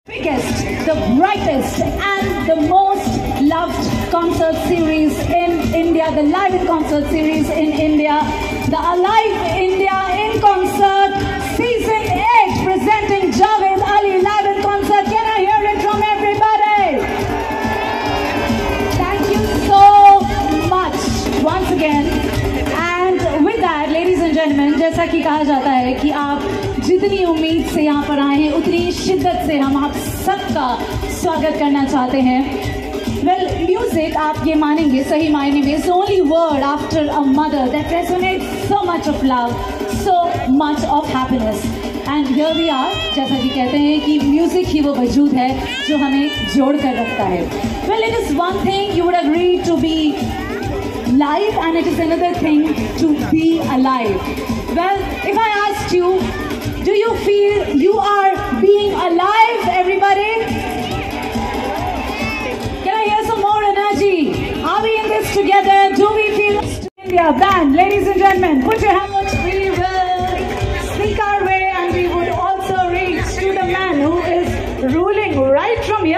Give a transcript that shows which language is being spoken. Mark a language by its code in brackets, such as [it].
[en] Biggest, the brightest, and the most loved concert series in India, the live concert series in India, the Alive India in Concert Season 8, presenting Javed Ali live in concert. Can I hear it from everybody? Thank you so much once again. And with that, ladies and gentlemen, [hi] जैसा कि कहा जाता है कि आप जितनी उम्मीद से यहाँ पर आए हैं उतनी शिद्दत से हम आप सबका स्वागत करना चाहते हैं. [en] well music, [hi] आप ये मानेंगे सही मायने में, [en] Is only word after a mother that resonates so much of love, so much of happiness. And here we are, [hi] जैसा कि कहते हैं कि म्यूजिक ही वो वजूद है जो हमें जोड़ कर रखता है. [en] Well it is one thing you would agree to be live and it is another thing to be alive. Well if I ask you, do you feel you are being alive, everybody? Can I hear some more energy? Are we in this together? Do we feel India band? Ladies and gentlemen, put your hands up. We will sneak our way and we would also reach to the man who is ruling right from here.